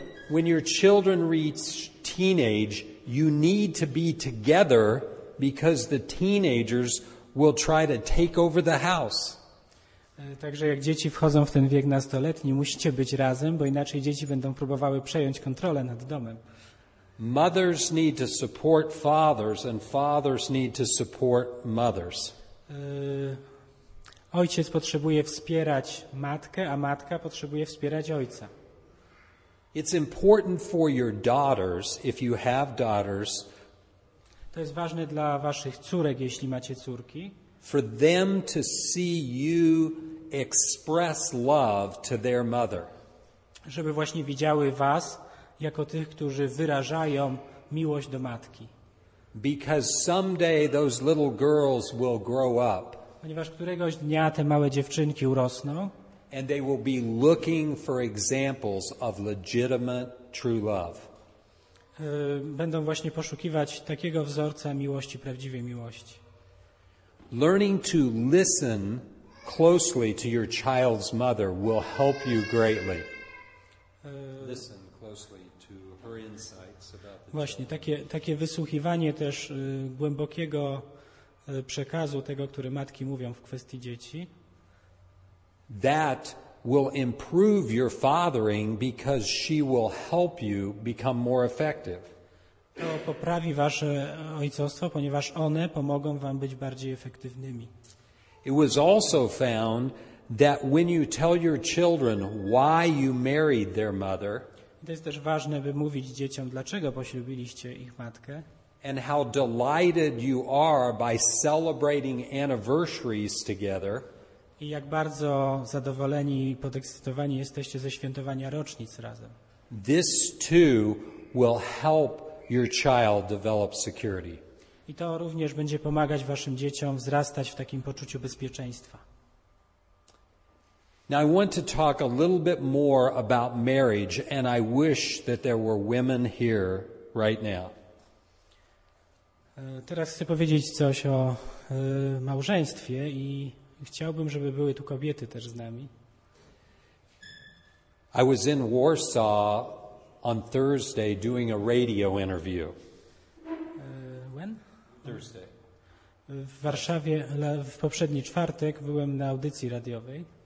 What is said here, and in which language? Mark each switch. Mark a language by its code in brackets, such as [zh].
[en] When your children reach teenage, you need to be together because the teenagers will try to take over the house. [pl] Także jak dzieci wchodzą w ten wiek nastoletni, musicie być razem, bo inaczej dzieci będą próbowały przejąć kontrolę nad domem. [en] Mothers need to support fathers and fathers need to support mothers. [pl] Ojciec potrzebuje wspierać matkę, a matka potrzebuje wspierać ojca. [en] It's important for your daughters, if you have daughters. [pl] To jest ważne dla waszych córek, jeśli macie córki. [en] For them to see you express love to their mother. [pl] Żeby właśnie widziały was jako tych, którzy wyrażają miłość do matki. [en] Because someday those little girls will grow up. [pl] Ponieważ któregoś dnia te małe dziewczynki urosną. [en] And they will be looking for examples of legitimate true love. [pl] Będą właśnie poszukiwać takiego wzorca miłości, prawdziwej miłości. [en] Learning to listen closely to your child's mother will help you greatly. Listen closely to her insights about the [pl] właśnie takie wysłuchiwanie też głębokiego przekazu tego, który matki mówią w kwestii dzieci. [en] That will improve your fathering because she will help you become more effective. [pl] To poprawi wasze ojcostwo, ponieważ one pomogą wam być bardziej efektywnymi. [en] It was also found that when you tell your children why you married their mother, [pl] to jest też ważne, by mówić dzieciom, dlaczego poślubiliście ich matkę. [en] And how delighted you are by celebrating anniversaries together. [pl] I jak bardzo zadowoleni i podekscytowani jesteście ze świętowania rocznic razem. [en] This too will help your child develop security. [pl] I to również będzie pomagać waszym dzieciom wzrastać w takim poczuciu bezpieczeństwa. [en] Now I want to talk a little bit more about marriage and I wish that there were women here right now. [pl] Teraz chcę powiedzieć coś o małżeństwie i chciałbym, żeby były tu kobiety też z nami. [en] I was in Warsaw on Thursday doing a radio interview. When? Thursday. [pl] W Warszawie w poprzedni czwartek byłem na audycji radiowej.